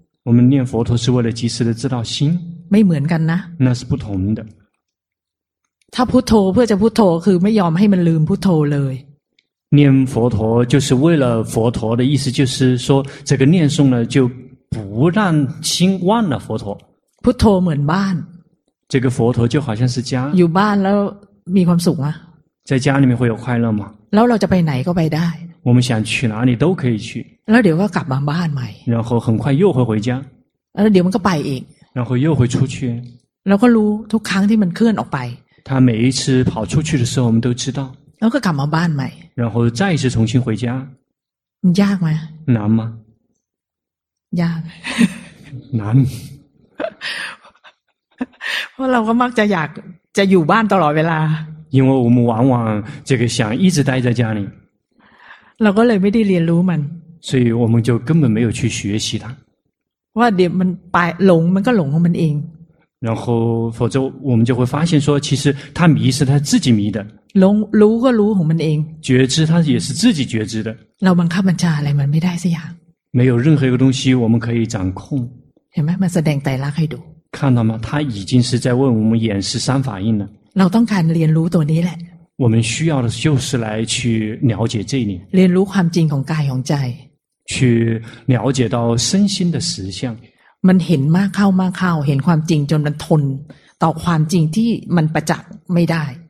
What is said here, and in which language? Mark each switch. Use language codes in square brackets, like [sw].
[zh] 我们念佛陀是为了及时的知道心 [th] ไม่เหมือนกันนะ [zh] 那是不同的 [th] ถ้าพุทโธเพื่อจะพุทโธคือไม่ยอมให้มันลืมพุทโธเลย [zh] 念佛陀就是为了佛陀的意思就是说这个念诵呢就不让心忘了佛陀 [th] พุทโธเหมือนบ้าน [zh] 这个佛陀就好像是家 [th] อยู่บ้านแล้วมีความสุขมั้ย [zh] 在家里面会有快乐吗？ [th] แล้วเราจะไปไหนก็ไปได้ [zh] 我们想去哪里都可以去 [th] แล้วเดี๋ยวก็กลับมาบ้านใหม่ [zh] 然后很快又会回家 [th] แล้วเดี๋ยวมันก็ไปอีก [zh] 然后又会出去 [th] แล้วก็รู้ทุกครั้งที่มันเคลื่อนออกไป [zh] 他每一次跑出去的时候我们都知道 [th] แล้วก็กลับมาบ้านใหม่ [zh] 然后再一次重新回家 [th] มันยากไหม [zh] 难吗 [th] ยาก [zh] 难 [th] เพราะเราก็มักจะอยากจะอยู่บ้านตลอดเวลา [zh] 因为我们往往这个想一直待在家里 [th] เราก็เลยไม่ได้เรียนรู้มัน [zh] 所以我们就根本没有去学习它 [th] ว่าเดี๋ยวมันไปหลงมันก็หลงของมันเอง [zh] 然后否则我们就会发现说其实它迷是它自己迷的 [th] หลงรู้ก็รู้ของมันเอง [zh] 觉知它也是自己觉知的 [th] เราบังคับมันจะอะไรมันไม่ได้สักอย่าง [zh] 没有任何一个东西我们可以掌控 [th] เห็นไหมมันแสดงไตรลักษณ์ให้ดู [zh] 看到吗他已经是在为我们演示三法印了 [th] เราต้องการเรียนรู้ตัวนี้แหละ [zh] 我们需要的就是来去了解这里 [th] เรียนรู้ความจริงของกายของใจ [zh] 去了解到身心的实相 [th] มันเห็นมากเข้ามากเข้าเห็นความจริงจนมันทนต่อความจริงที่มันประจักษ์ไม่ได้